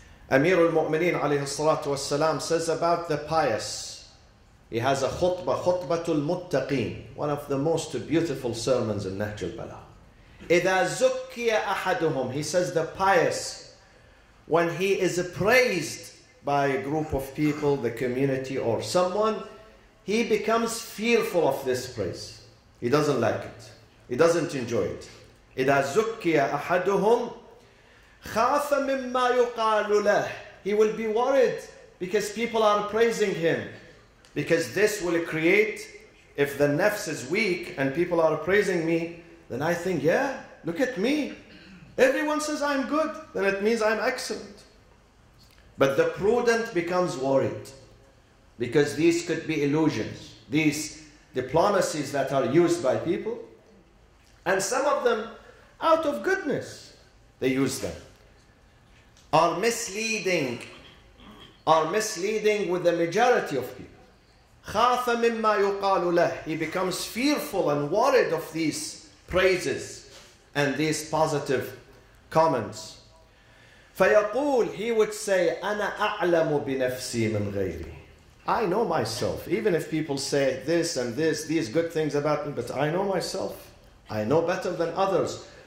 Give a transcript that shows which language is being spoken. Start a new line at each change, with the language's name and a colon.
English: Amir al-Mu'mineen alayhi salatu wassalam says about the pious, he has a khutbah, khutbatul muttaqeen, one of the most beautiful sermons in Nahj al-Balagh.
Arabic: Idha zukkiya ahaduhum,
English: he says the pious, when he is praised by a group of people, the community or someone, he becomes fearful of this praise. He doesn't like it. He doesn't enjoy it.
Arabic: Idha zukkiya ahaduhum, خَافَ مِمَّا يُقَالُ لَهُ.
English: He will be worried because people are praising him. Because this will create, if the nafs is weak and people are praising me, then I think, yeah, look at me. Everyone says I'm good, then it means I'm excellent. But the prudent becomes worried because these could be illusions. These diplomacies that are used by people, and some of them, out of goodness, they use them. Are misleading with the majority of people.
Arabic: خَافَ مِمَّا يُقَالُ لَهُ.
English: He becomes fearful and worried of these praises and these positive comments.
Arabic: فيقول,
English: he would say,
Arabic: أنا أعلم بنفسي من غيري.
English: I know myself. Even if people say this and this, these good things about me, but I know myself. I know better than others.